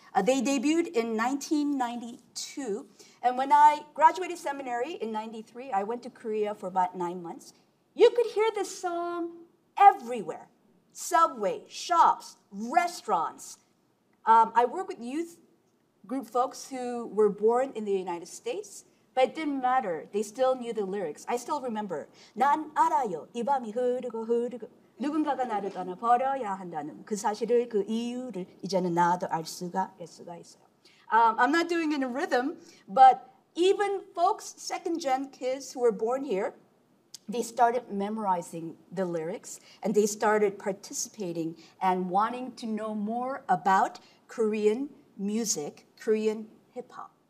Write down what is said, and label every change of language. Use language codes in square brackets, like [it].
[en] They debuted in 1992. And when I graduated seminary in 93, I went to Korea for about 9 months. You could hear this song everywhere. Subway, shops, restaurants. I work with youth group folks who were born in the United States. But it didn't matter. They still knew the lyrics. I still remember. [ko] 난 알아요. 이 밤이 흐르고 흐르고 누군가가 나를 떠나버려야 한다는 그 사실을 그 이유를 이제는 나도 알 수가 있어요. [en] I'm not doing it in rhythm, but even folks, second-gen kids who were born here, they started memorizing the lyrics, and they started participating and wanting to know more about Korean music, Korean hip-hop.